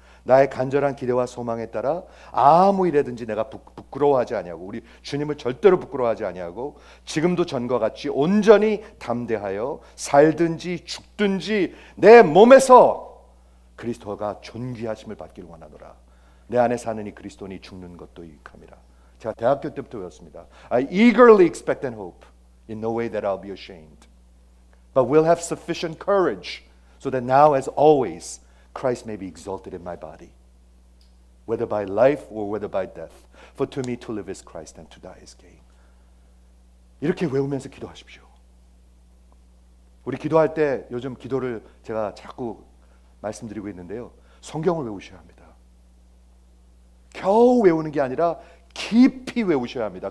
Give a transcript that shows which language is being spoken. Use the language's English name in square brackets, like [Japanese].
[Korean] 나의 간절한 기대와 소망에 따라 아무 일에든지 내가 부끄러워하지 아니하고 우리 주님을 절대로 부끄러워하지 아니하고 지금도 전과 같이 온전히 담대하여 살든지 죽든지 내 몸에서 그리스도가 존귀하심을 받기를 원하노라. 내 안에 사는 이 그리스도니 죽는 것도 유익함이라. 제가 대학교 때부터 외웠습니다. [English] I eagerly expect and hope in no way that I'll be ashamed but will have sufficient courage so that now as always Christ may be exalted in my body, whether by life or whether by death. For to me to live is Christ and to die is gain. [Korean] 이렇게 외우면서 기도하십시오. 우리 기도할 때 요즘 기도를 제가 자꾸 말씀드리고 있는데요. 성경을 외우셔야 합니다. 겨우 외우는 게 아니라 깊이 외우셔야 합니다.